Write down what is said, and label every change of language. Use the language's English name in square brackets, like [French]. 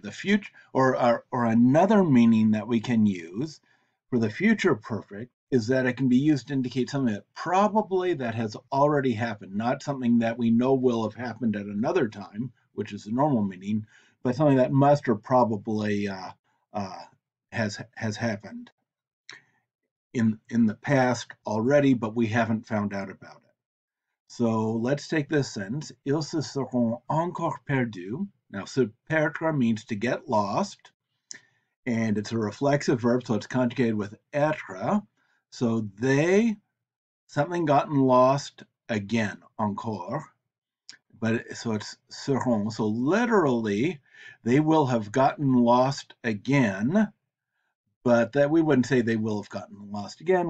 [English] The future, or another meaning that we can use for the future perfect is that it can be used to indicate something that probably that has already happened, not something that we know will have happened at another time, which is the normal meaning, but something that must or probably has happened in the past already, but we haven't found out about it. So let's take this sentence. [French] Ils se seront encore perdus. [English] Now, se perdre means to get lost, and it's a reflexive verb, so it's conjugated with être. So they, something gotten lost again, encore. But so it's seront. So literally, they will have gotten lost again, but that we wouldn't say they will have gotten lost again.